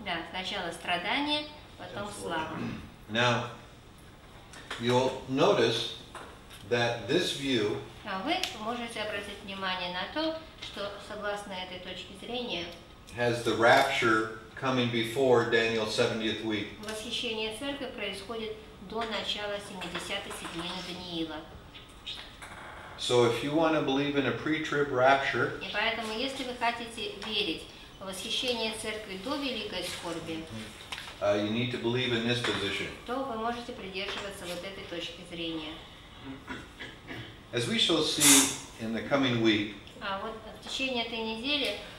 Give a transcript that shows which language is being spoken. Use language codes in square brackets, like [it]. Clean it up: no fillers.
[ru] Сначала страдание, потом слава. [en] Now, you'll notice that this view. [ru] Вы можете обратить внимание на то, что согласно этой точке зрения. [en] Has the rapture coming before Daniel's 70th week? [ru] Восхищение церкви происходит до начала 70-й седмицы Даниила. [en] So if you want to believe in a pre-trib rapture, [ru] и поэтому если вы хотите верить в восхищение церкви до великой скорби, [en] you need to believe in this position. [ru] То вы можете придерживаться вот этой точки зрения. [en] As we shall see in the coming week. [ru] А вот в течение этой недели.